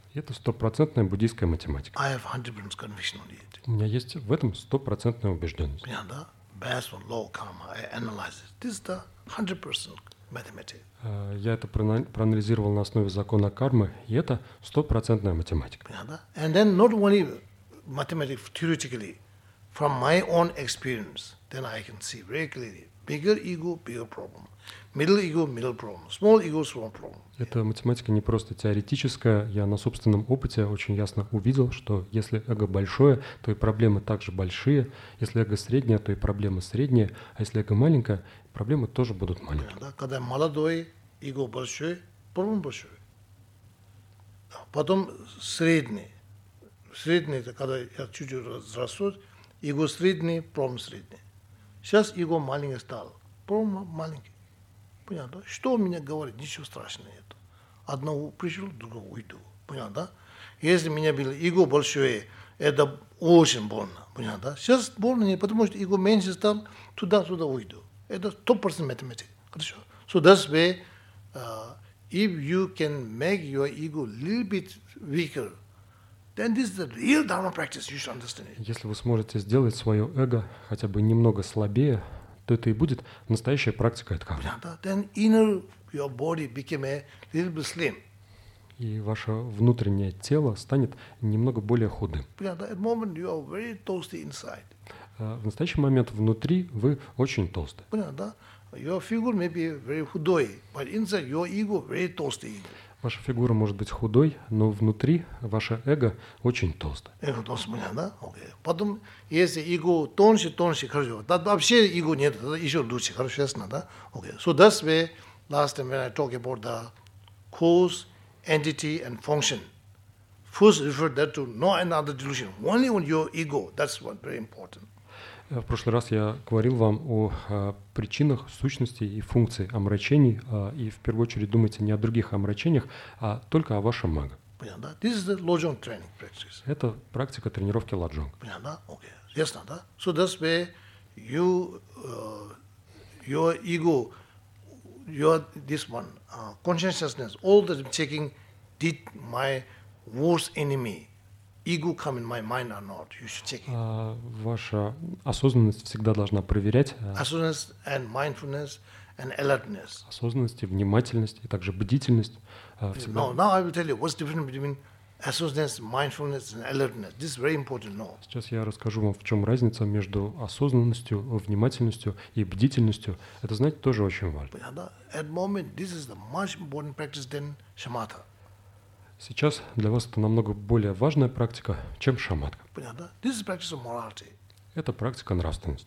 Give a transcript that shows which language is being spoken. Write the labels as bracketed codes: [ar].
[ru] Это стопроцентная буддийская математика. [en] I have 100% conviction on it. [ru] У меня есть в этом стопроцентная убежденность. [en] Yeah, да? Based on law karma, I analyze it. This is the 100% mathematics. [ru] Я это проанализировал на основе закона кармы, и это стопроцентная математика. [en] Yeah, да? And then not only mathematics theoretically, from my own experience, then I can see very clearly, bigger ego, bigger problem. Middle ego, middle problem. Small ego, small problem. Yeah. [ru] Эта математика не просто теоретическая. Я на собственном опыте очень ясно увидел, что если эго большое, то и проблемы также большие. Если эго среднее, то и проблемы средние. А если эго маленькое, проблемы тоже будут маленькие. Да, когда молодой, эго большой, проблем большой. Да. Потом средний. Средний – это когда я чуть-чуть взрослый, эго средний, проблем средний. Сейчас эго маленький стал, проблем маленький. Понятно? Что у меня говорит? Ничего страшного нет. одного пришел, другого уйду. Понял, да? Если у меня было иго большое, это очень больно. Понял, да? Сейчас больно не потому, что иго меньше стал, туда-сюда уйду. Это 100% математика. Хорошо? [en] So that's way, if you can make your ego a little bit weaker, then this is the real Dharma practice, you should understand it. [ru] Если вы сможете сделать свое эго хотя бы немного слабее, то это и будет настоящая практика Дхармы. [en] Then inner your body became a little bit slim. [ru] И ваше внутреннее тело станет немного более худым. [en] At the moment you are very toasty inside. [ru] В настоящий момент внутри вы очень толстый. Понятно, да? [en] Your figure may be very худой, but inside your ego very toasty. [ru] Ваша фигура может быть худой, но внутри ваше эго очень толстое. Эго толстое, понятно, да? Окей. Потом, если эго тоньше, тоньше, хорошо. Да, вообще эго нет, еще лучше, хорошо, ясно, да? Окей. [en] So that's why last time when I talked about the cause, entity and function, first refer that to no another delusion, only on your ego, that's what very important. [ru] В прошлый раз я говорил вам о причинах, сущности и функции омрачений, и в первую очередь думайте не о других омрачениях, а только о вашем эго. Понятно, да? [en] This is the lojong training practice. [ru] Это практика тренировки лоджонг. Понятно, да? Окей. Ясно, да? [en] So that's where you, your ego, your this one, consciousness, all that I'm taking, did my worst enemy. Ego come in my mind or not? You should check it. [ru] Ваша осознанность всегда должна проверять. [en] Awareness and mindfulness and alertness. [ru] Осознанность, внимательность и также бдительность. [en] No, now I will tell you what's different between awareness, mindfulness and alertness. This is very important. No. [ru] Сейчас я расскажу вам, в чем разница между осознанностью, внимательностью и бдительностью. Это, знаете, тоже очень важно. [en] But at the moment, this is the much more important practice than shamatha. [ru] Сейчас для вас это намного более важная практика, чем шаматка. Понятно, да? [en] This is practice of morality. [ru] Это практика нравственности.